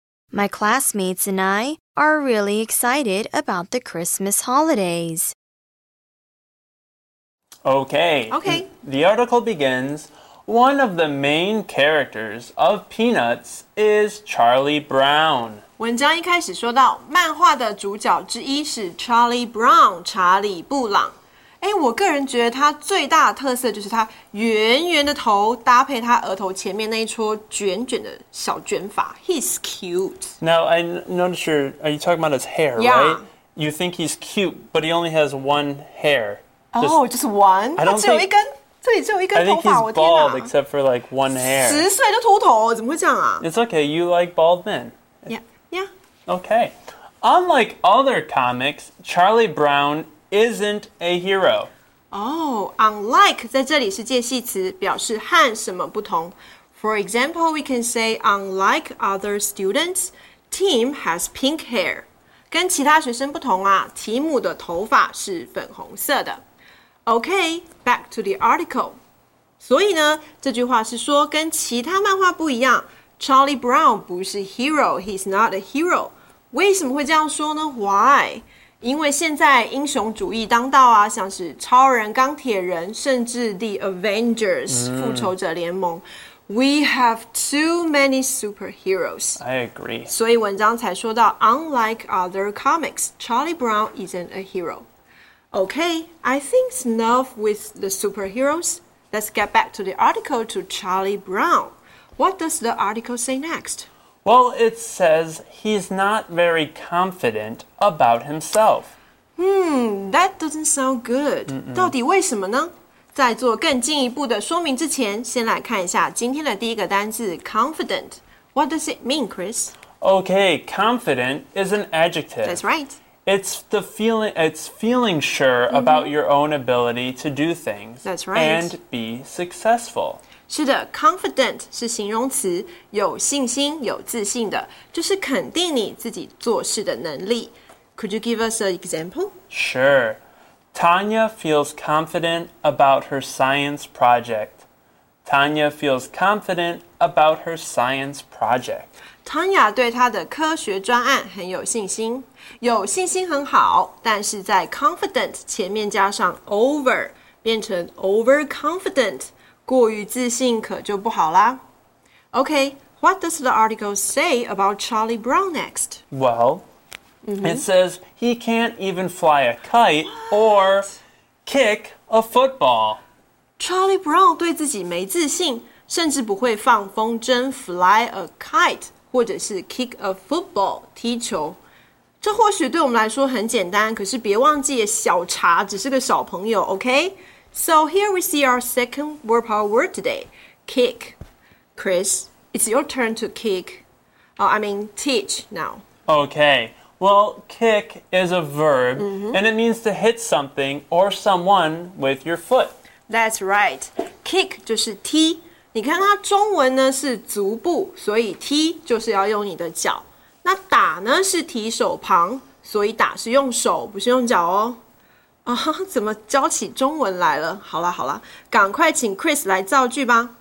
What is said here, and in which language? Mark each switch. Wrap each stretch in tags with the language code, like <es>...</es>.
<en>My classmates and I are really excited about the Christmas holidays. Okay. Okay. The article begins, one of the main characters of Peanuts is Charlie Brown.</en> <zh>文章一开始说到漫画的主角之一是 Charlie Brown, 查理布朗。诶，我个人觉得他最大的特色就是他圆圆的头搭配他额头前面那一撮卷卷的小卷发。</zh> <en>He's cute. Now, I noticed you're, are you talking about his hair, yeah. right? You think he's cute, but he only has one hair. Just one? I think he's bald except for like one hair.</en> <zh>十岁就秃头，怎么会这样啊？</zh> <en>It's okay, you like bald men. Yeah. Okay. Unlike other comics, Charlie Brown isn't a hero.</en> <zh>Oh, unlike 在这里是介系词，表示和什么不同。</zh> <en>For example, we can say unlike other students, Tim has pink hair.</en> <zh>跟其他学生不同啊，提姆的头发是粉红色的。</zh> <en>Okay, back to the article.</en> <zh>所以呢，这句话是说跟其他漫画不一样 ，Charlie Brown 不是 hero,</zh> <en>he's not a hero.</en> <zh>为什么会这样说呢 ？Why? 因为现在英雄主义当道啊，像是超人、钢铁人，甚至 The Avengers 复仇者联盟。</zh> <en>We have too many superheroes. I agree. 所以文章才说到 unlike other comics, Charlie Brown isn't a hero. Okay, I think it's enough with the superheroes. Let's get back to the article to Charlie Brown. What does the article say next? Well, it says he's not very confident about himself. That doesn't sound good.</en> <zh>到底为什么呢？在做更进一步的说明之前，先来看一下今天的第一个单字 confident.</zh> <en>What does it mean, Chris? Okay, confident is an adjective. That's right. It's feeling sure about your own ability to do things. That's right. And be successful.</en> <zh>是的 ,confident 是形容词,有信心,有自信的,就是肯定你自己做事的能力。</zh> <en>Could you give us an example? Sure. Tanya feels confident about her science project. Tanya feels confident about her science project.</en> <zh>Tanya 对她的科学专案很有信心。有信心很好,但是在 confident 前面加上 over, 变成 overconfident。过于自信可就不好啦。</zh> <en>Okay, what does the article say about Charlie Brown next? Well, it says he can't even fly a kite or kick a football.</en> <zh>Charlie Brown 对自己没自信，甚至不会放风筝</zh> <en>fly a kite</en> <zh>或者是</zh> <en>kick a football</en> <zh>踢球。这或许对我们来说很简单，可是别忘记小茶只是个小朋友 ,okay?</zh> <en>So here we see our second word power word today, kick. Chris, it's your turn to teach now. Okay, well, kick is a verb, and it means to hit something or someone with your foot. That's right, kick</en> <zh>就是踢。你看它中文呢是足部，所以踢就是要用你的脚。那打呢是提手旁，所以打是用手，不是用脚哦。怎么教起中文来了？好啦好啦，赶快请 Chris 来造句吧。</zh>